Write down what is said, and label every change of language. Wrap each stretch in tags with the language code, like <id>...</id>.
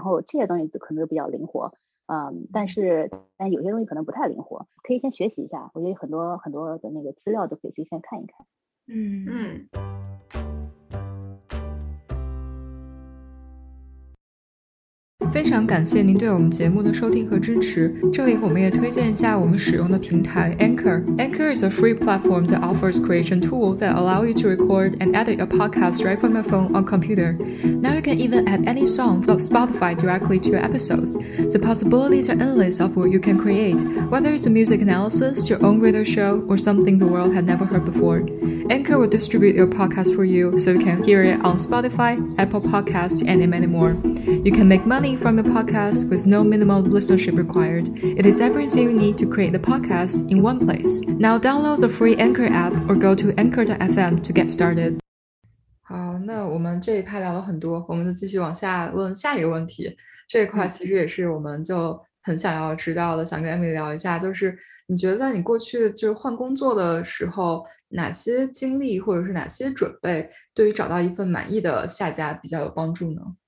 <zh>然后这些东西可能都比较灵活，但有些东西可能不太灵活，可以先学习一下，我觉得很多很多的那个资料都可以去先看一看。非常感谢您对我们节目的收听和支持，这里我们也推荐一下我们使用的平台 Anchor。</zh> <en>Anchor is a free platform that offers creation tools that allow you to record and edit your podcast right from your phone or computer. Now you can even add any song from Spotify directly to your episodes. The possibilities are endless of what you can create, whether it's a music analysis, your own radio show, or something the world had never heard before. Anchor will distribute your podcast for you so you can hear it on Spotify, Apple Podcasts, and many more. You can make money from your podcast with no minimum listenership required. It is everything you need to create the podcast in one place. Now download the free Anchor app or go to anchor.fm to get started.</en> <zh>好，那我们这一趴聊了很多，我们就继续往下问下一个问题。这一块其实也是我们就很想要知道的，想跟 Emily 聊一下，就是你觉得在你过去就是换工作的时候，哪些经历或者是哪些准备对于找到一份满意的下家比较有帮助呢？</zh>